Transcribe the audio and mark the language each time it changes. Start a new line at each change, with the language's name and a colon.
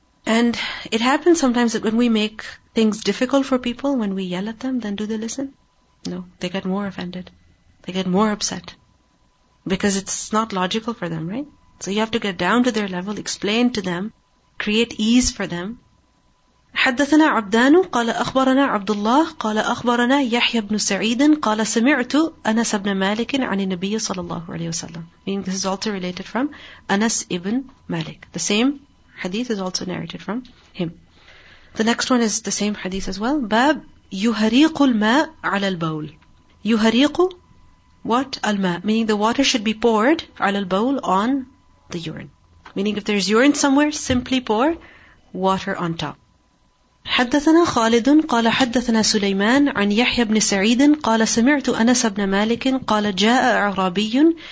English: And it happens sometimes that when we make things difficult for people, when we yell at them, then do they listen? No, they get more offended. They get more upset. Because it's not logical for them, right? So you have to get down to their level, explain to them, create ease for them.
Arabic: حدثنا عبدان قال أخبرنا عبد الله قال أخبرنا يحيى بن سعيد قال سمعت أنس بن مالك عن النبي صلى الله عليه وسلم.
English: Meaning this is also related from Anas ibn Malik. The same hadith is also narrated from him. The next one is the same hadith as well.
Arabic: باب يهريق الماء على البول. يهريق
English: what?
Arabic: الماء.
English: Meaning the water should be poured
Arabic: على البول
English: on the urine. Meaning if there's urine somewhere, simply pour water on top.
Arabic: حدثنا خالد قال حدثنا سليمان عن يحيى بن سعيد قال سمعت أنس بن مالك قال جاء عرابي.